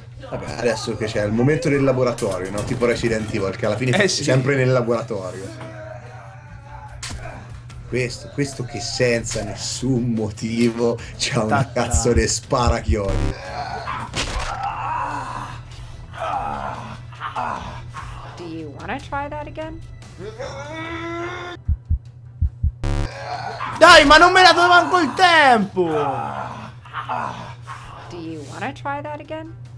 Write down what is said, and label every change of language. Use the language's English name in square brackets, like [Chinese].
[Italian] Vabbè, adesso che c'è il momento del laboratorio, no? Tipo Resident Evil, che alla fine sì. Sempre nel laboratorio. Questo che senza nessun motivo c'ha una cazzo di sparachioli. [English] Do you wanna try that again? [Italian] Dai, ma non me la dovevo manco il tempo! [English] Do you wanna try that again?